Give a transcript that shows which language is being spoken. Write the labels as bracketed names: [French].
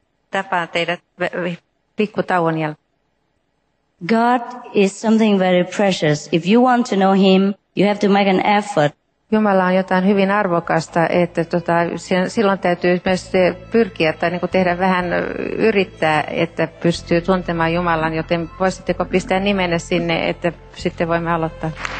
[Finnish] Tapaan teidät pikku tauon jälkeen. [English] God is something very precious. If you want to know him, you have to make an effort. [Finnish] Jumala on jotain hyvin arvokasta, että silloin täytyy myös pyrkiä tai tehdä vähän yrittää, että pystyy tuntemaan Jumalan, joten voisitteko pistää nimenne sinne, että sitten voimme aloittaa.